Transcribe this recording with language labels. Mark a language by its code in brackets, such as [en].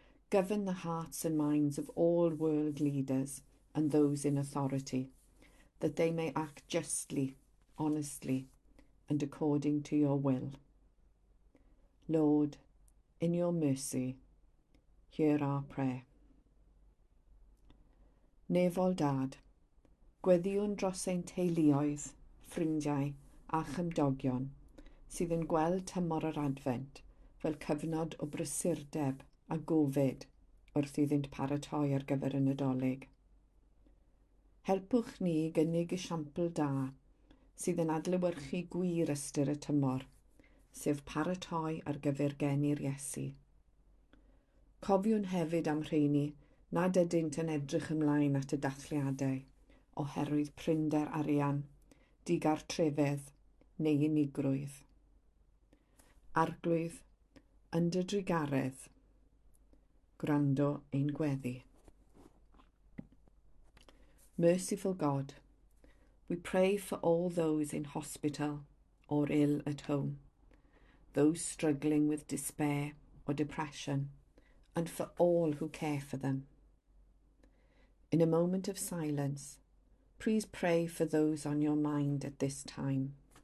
[en] Govern the hearts and minds of all world leaders and those in authority, that they may act justly, honestly, and according to your will. Lord, in your mercy, hear our prayer. [cy] Nefol dad, gweddiwn dros ein teuluoedd, ffrindiau a chymdogion sydd yn gweld tymor yr Advent fel cyfnod o brysurdeb a gofid wrth iddynt paratoi ar gyfer y Nadolig. Helpwch ni gynnig esiampl da sydd yn adlewyrchu gwir ystyr y tymor, sef paratoi ar gyfer geni'r Iesu. Cofiwn hefyd am rheini nad ydynt yn edrych ymlaen at y dathliadau oherwydd prinder arian, digartrefedd neu unigrwydd. Arglwydd, yn dy drigaredd, gwrando ein gweddi. [en] Merciful God, we pray for all those in hospital or ill at home, those struggling with despair or depression, and for all who care for them. In a moment of silence, please pray for those on your mind at this time.